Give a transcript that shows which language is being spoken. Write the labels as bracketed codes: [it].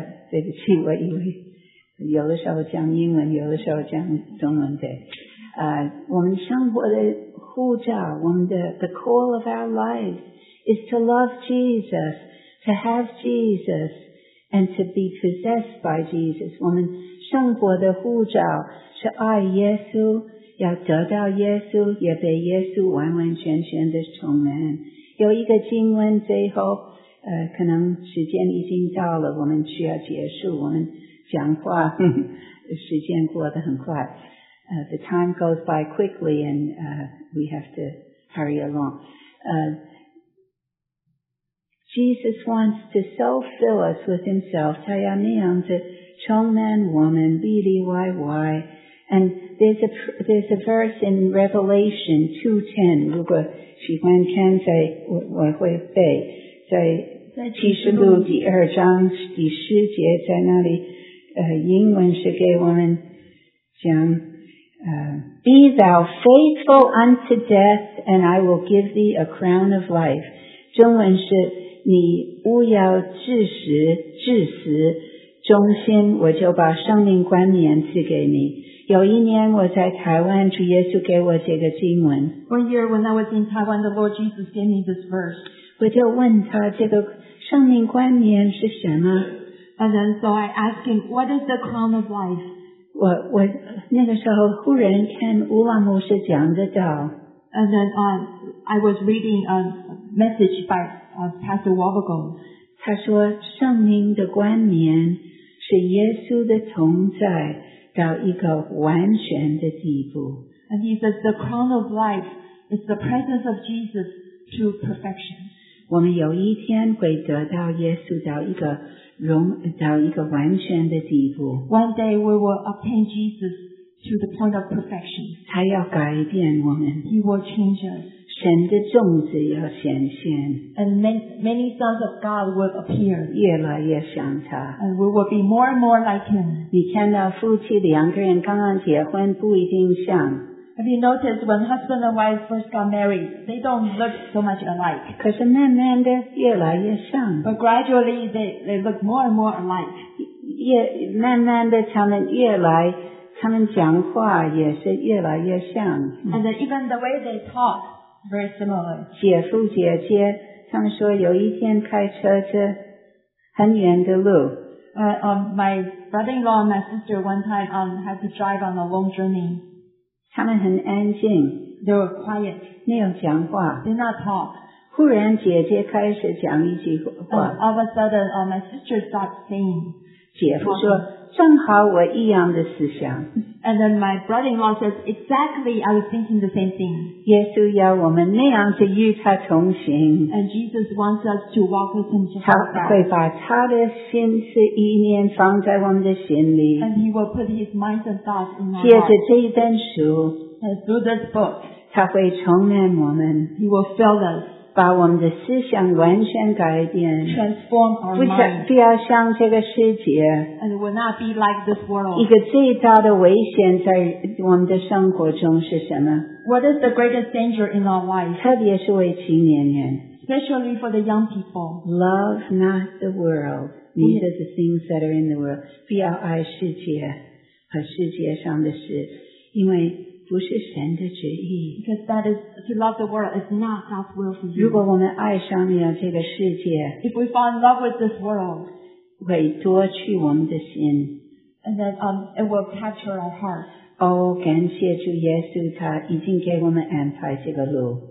[zh] 对不起，我以为有的时候讲英文，有的时候讲中文，对。我们生活的护照，我们的 [en] the call of our lives is to love Jesus, to have Jesus, and to be possessed by Jesus. [zh] 我们生活的护照是爱耶稣，要得到耶稣，也被耶稣完完全全的充满。有一个经文最后。可能时间已经到了，我们需要结束。我们讲话，时间过得很快。 [en] The time goes by quickly, and we have to hurry along. Jesus wants to so fill us with Himself. [zh] 他要那样子充满我们 ，BDYY. [en] And there's a verse in Revelation 2:10. [zh] 如果喜欢看，在我会背在。在启示录第二章第十节，在那里，英文是给我们讲， [en] Be thou faithful unto death, and I will give thee a crown of life. [zh] 中文是，你勿要至死，忠心，我就把生命冠冕赐给你。有一年我在台湾，主耶稣给我这个经文。 [en] One year when I was in Taiwan, the Lord Jesus gave me this verse. [zh] 我就问他这个。生命冠冕是什么 [en] ？And then, so I asked him, "What is the crown of life?" [zh] 我那个时候忽然看乌拉牧师讲的道。 [en] And then, I was reading a message by Pastor Wobbegon. [zh] 他说，生命的冠冕是耶稣的同在到一个完全的地步。 [en] And he says, "The crown of life is the presence of Jesus to perfection." [zh] 我们有一天会得到耶稣到一个荣到一个完全的地步。 [en] One day we will obtain Jesus to the point of perfection. [zh] 他要改变我们。 [en] He will change us. [zh] 神的种子要显现。 [en] And many sons of God will appear. [zh] 越来越像他。 [en] And we will be more and more like him. [zh] 你看到夫妻两个人刚刚结婚不一定像。 [en] Have you noticed when husband and wife first got married, they don't look so much alike. [zh] 可是慢慢的越来越像。 [en] But gradually they look more and more alike. [zh] 慢慢的他们讲话也是越来越像。 [en] And even the way they talk, very similar. [zh] 姐夫姐姐他们说有一天开车去很远的路。 [en] My brother-in-law and my sister one time had to drive on a long journey. [zh] 他们很安静 [en] ，they were quiet， [zh] 没有讲话 [en] ，did not talk。 [zh] 忽然，姐姐开始讲一句话。 [en] All of a sudden, my sister stopped saying。 [zh] 姐夫说：“正好我一样的思想。 [en] ”And then my brother-in-law says, "Exactly, I was thinking the same thing." [zh] 耶稣要我们那样子与他同行。 [en] And Jesus wants us to walk with him. [zh] 他会把他的心思意念放在我们的心里。 [en] And he will put his minds and thoughts in our hearts. [zh] 借着这一本书 [en] ，and through this book, [zh] 他会充满我们。 [en] He will fill us. [zh] 把我们的思想完全改变 [en] ，transform our mind， [zh] 不要像这个世界 [en] ，and will not be like this world。 [zh] 一个最大的危险在我们的生活中是什么 [en] ？What is the greatest danger in our life？ [zh] 特别是为青年人 [en] ，especially for the young people。 Love not the world, neither the things that are in the world。 [zh] 不要爱世界和世界上的事，因为不是神的旨意。 [en] Because that is to love the world is not God's will for you. [zh] 如果我们爱上了这个世界 [en] ，if we fall in love with this world， [zh] 会夺去我们的心 [en] ，and then it will capture our hearts。 [zh] 哦，感谢主耶稣，他已经给我们安排这个路。